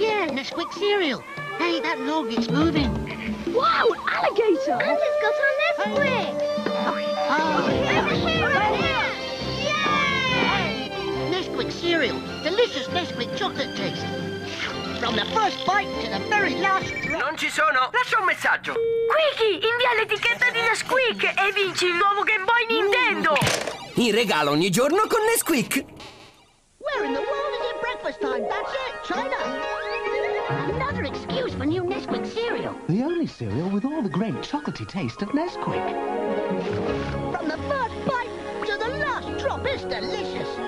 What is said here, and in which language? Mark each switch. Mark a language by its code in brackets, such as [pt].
[en] Yeah, Nesquik cereal. Hey, that log is moving. Wow, alligator! And it's got our Nesquik. Oh, oh. Over here, over here. Nesquik cereal, delicious Nesquik chocolate taste. From the first bite to the very last drop. [it] Non ci sono! Lascia un messaggio! Quickie, invia l'etichetta di Nesquik e vinci il nuovo Game Boy Nintendo! In regalo ogni giorno con Nesquik! [en] Where in the world is it breakfast time? That's it, China! Another excuse for new Nesquik cereal. The only cereal with all the great chocolatey taste of Nesquik. From the first bite to the last drop, it's delicious!